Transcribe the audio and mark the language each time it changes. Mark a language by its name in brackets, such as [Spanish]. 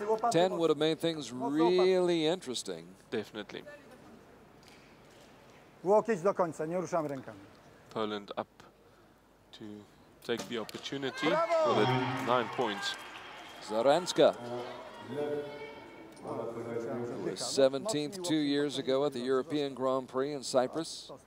[English] 10 would have made things really interesting. Definitely. [Polish] Łokieć do końca, nie ruszam rękami. [English] Poland up to take the opportunity for the 9 points. Zarenska. Was 17th 2 years ago at the European Grand Prix in Cyprus.